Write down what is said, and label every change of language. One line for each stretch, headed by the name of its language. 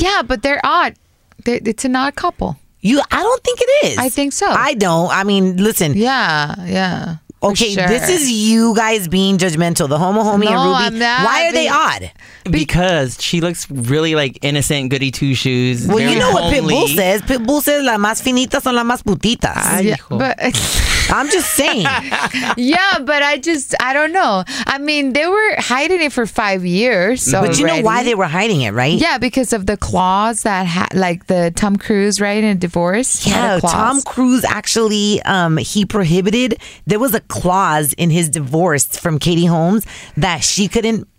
English: Yeah, but they're odd. It's an odd couple. I don't think it is. I think so. I don't. I mean, listen. Yeah, yeah. Okay, sure. This is you guys being judgmental. The homie and Ruby. I'm not. Why are they odd? Because she looks really like innocent, goody two shoes. Well, you know what Pitbull says. Pitbull says,
Spanish: la más finita son la más putitas.
English: Ay, yeah, hijo. But I'm just saying. Yeah, but I don't know. I mean, they were hiding it for 5 years. But already. You know why they were hiding it, right? Yeah, because of the clause that, like the Tom Cruise, right, in a divorce. Yeah, Tom Cruise actually, there was a clause in his divorce from Katie Holmes that she couldn't